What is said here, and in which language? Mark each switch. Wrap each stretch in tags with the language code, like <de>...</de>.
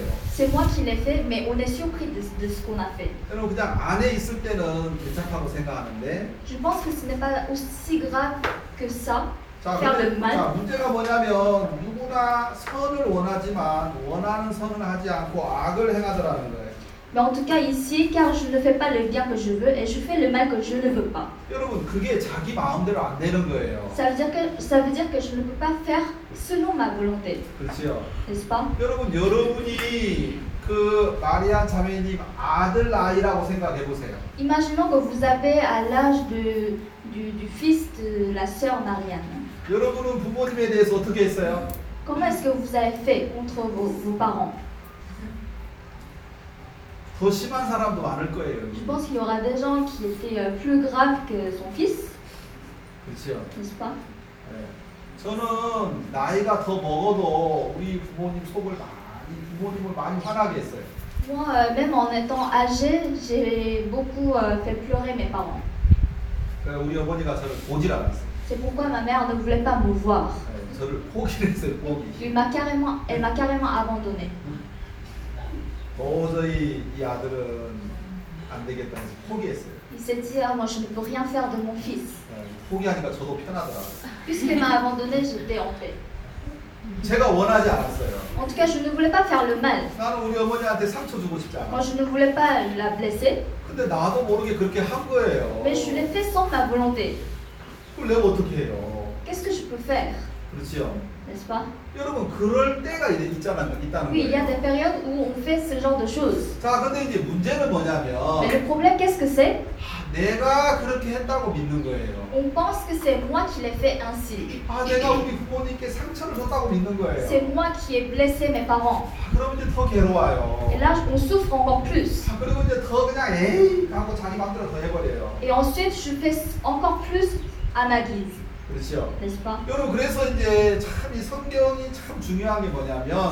<fr>C'est moi qui l'ai fait, mais on est surpris de ce qu'on a fait. Je pense que ce n'est pas aussi grave que ça,</fr> <ko>자,</ko> <fr>faire</fr> <ko>근데,</ko> <fr>le mal.</fr> <ko>자, 문제가 뭐냐면, 누구나 선을 원하지만, 원하는 선은 하지 않고 악을 행하더라는 거예요.</ko> <fr>Mais en tout cas ici, car je ne fais pas le bien que je veux et je fais le mal que je ne veux pas.</fr> <ko>여러분, 그게 자기 마음대로 안 되는 거예요.</ko> <fr>Ça veut dire que je ne peux pas faire selon ma volonté.</fr> <ko>그렇죠.</ko> <fr>N'est-ce pas?</fr> <ko>여러분, 여러분이 그 마리아 자매님 아들 나이라고 생각해 보세요.</ko> <fr>Imaginons que vous avez à l'âge du fils de la sœur Marianne.</fr> <ko>여러분은 부모님에 대해서 어떻게 했어요?</ko> <fr>Comment est-ce que vous avez fait contre vos parents?</fr> <ko>더 심한 사람도 많을 거예요.</ko> <fr>Je pense qu'il y aura des gens qui étaient plus graves que son fils.</fr> <ko>그렇죠.</ko> <fr>N'est-ce pas?</fr> <ko>저는 나이가 더 먹어도 우리 부모님 속을 많이 부모님을 많이 화나게 했어요.</ko> <fr>Moi, même en étant âgé, j'ai beaucoup fait pleurer mes parents.</fr> <ko>우리 어머니가 저를 보질 않았어요.</ko> <fr>C'est pourquoi ma mère ne voulait pas me voir.</fr> <ko>저를 포기했어요. 포기.</ko> <fr>Elle m'a carrément abandonné.</fr> <ko>도저히 이 아들은 안 되겠다고 포기했어요.</ko> <fr>Il s'est dit, ah, moi je ne peux rien faire de mon fils.</fr> <ko>포기하니까 저도 편하더라고요.</ko> <fr>Puisqu'il m'a abandonné, j'étais en paix.</fr> <ko>제가 원하지 않았어요.</ko> <fr>En tout cas, je ne voulais pas faire le mal.</fr> <ko>나는 우리 어머니한테 상처 주고 싶지 않아.</ko> <fr>Moi je ne voulais pas la blesser.</fr> <ko>근데 나도 모르게 그렇게 한 거예요.</ko> <fr>Mais je l'ai fait sans ma volonté.</fr> <ko>그럼 내가 어떻게 해요?</ko> <fr>Qu'est-ce que je peux faire?</fr> <ko>그렇죠.</ko> <fr>N'est-ce pas?</fr> <ko>여러분 그럴 때가 이제 있잖아요. 있다는 거예요.</ko> <fr>Oui, il y a des périodes où on fait ce genre de choses.</fr> <ko>자, 근데 이제 문제는 뭐냐면</ko> <fr>Mais le problème qu'est-ce que c'est?</fr> <ko>내가 그렇게 했다고 믿는 거예요.</ko> <fr>On pense que c'est moi qui l'ai fait ainsi.</fr> <ko>아, 내가 우리 부모님께 상처를 줬다고 믿는 거예요.</ko> <fr>C'est moi qui ai blessé mes parents.</fr> <ko>아, 그럼 이제 더 괴로워요.</ko> <fr>Et là, on souffre encore plus.</fr> <ko>아, 그리고 이제 더 그냥 에이 하고 자기 마음대로 더 해버려요.</ko> <fr>Et ensuite, je fais encore plus à ma guise.</fr> <ko>그렇죠.</ko> <fr>N'est-ce pas?</fr> <ko>여러분 그래서 이제 참 이 성경이 참 중요한 게 뭐냐면</ko>